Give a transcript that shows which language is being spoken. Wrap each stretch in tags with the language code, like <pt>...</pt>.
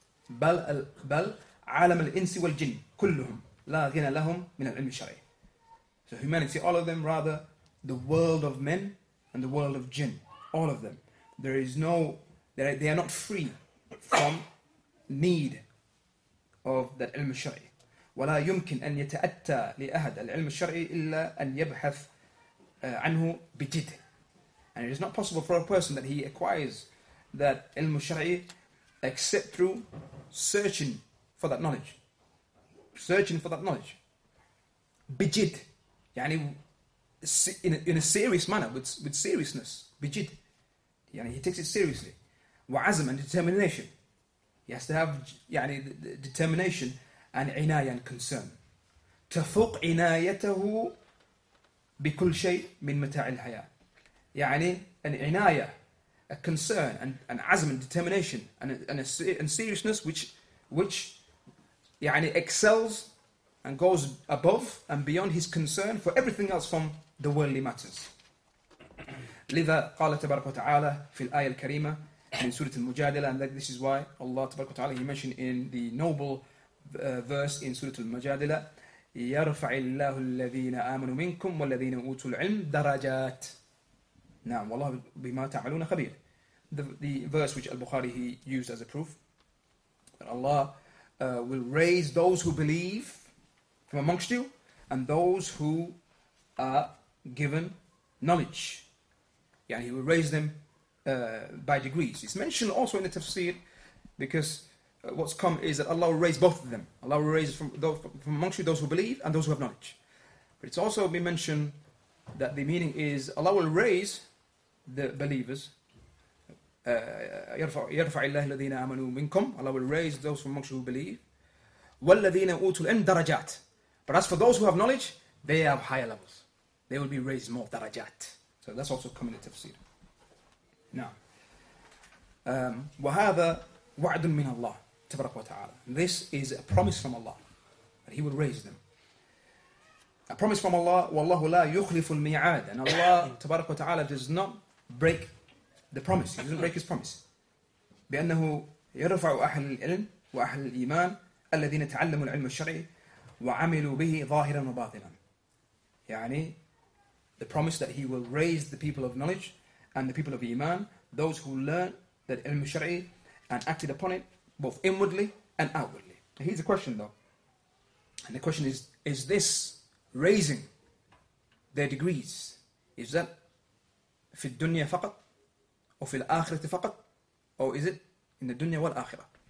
<ar>بل عالم الإنس والجن كلهم لا غنى لهم من العلم الشرعي.</ar> <en>So humanity, all of them, rather the world of men and the world of jinn, all of them. There is no, they are not free from need of that ilm al-shar'i.</en> <ar>ولا يمكن أن يتأتى لأحد العلم الشرعي إلا أن يبحث عنه بجد.</ar> <en>And it is not possible for a person that he acquires that ilm al-shar'i except through searching for that knowledge. Searching for that knowledge.</en> <ar>بجد. يعني</ar> <en>in a serious manner, with seriousness. بجد. يعني he takes it seriously.</en> <ar>وعزم</ar> <en>and determination. He has to have</en> <ar>يعني</ar> <en>the determination and عناية and concern.</en> <ar>تفوق عنايته بكل شيء من متاع الحياة. يعني</ar> <en>an عناية, a concern and عزم and determination and seriousness which يعني excels and goes above and beyond his concern for everything else from the worldly matters.</en> <ar>لذا قال تبارك وتعالى في الآية الكريمة من سورة المجادلة,</ar> <en>and this is why Allah تبارك وتعالى, he mentioned in the noble verse in</en> <ar>سورة المجادلة, يرفع الله الذين آمنوا منكم والذين أوتوا العلم درجات. نعم والله بما تعملون خبير.</ar> <en>The verse which Al-Bukhari he used as a proof that Allah will raise those who believe from amongst you and those who are given knowledge. Yani he will raise them by degrees. It's mentioned also in the tafsir, because what's come is that Allah will raise both of them. Allah will raise from amongst you those who believe and those who have knowledge. But it's also been mentioned that the meaning is Allah will raise the believers.</en> <ar>يرفع الله الذين آمنوا منكم.</ar> <en>Allah will raise those from amongst you who believe.</en> <ar>والذين أوتوا العلم درجات.</ar> <en>But as for those who have knowledge, they have higher levels. They will be raised more</en> <ar>درجات.</ar> <en>So that's also coming into tafsir. Now,</en> <ar>وهذا وعد من الله تبارك وتعالى.</ar> <en>This is a promise from Allah that He will raise them. A promise from Allah.</en> <ar>والله لا يخلف الميعاد.</ar> <en>And Allah</en> <ar>تبارك وتعالى</ar> <en>does not break the promise. He doesn't break His promise.</en> <ar>بأنه يرفع أهل العلم وأهل الإيمان الذين تعلموا العلم الشرعي وعملوا به ظاهرا وباطنا. يعني</ar> <en>the promise that He will raise the people of knowledge and the people of Iman, those who learn that ilm al-shar'i and acted upon it, both inwardly and outwardly. Now here's a question though. And the question is this raising their degrees, is that</en> <ar>في الدنيا فقط أو في الآخرة فقط,</ar> <en>or is it in the dunya</en> <ar>والآخرة?</ar>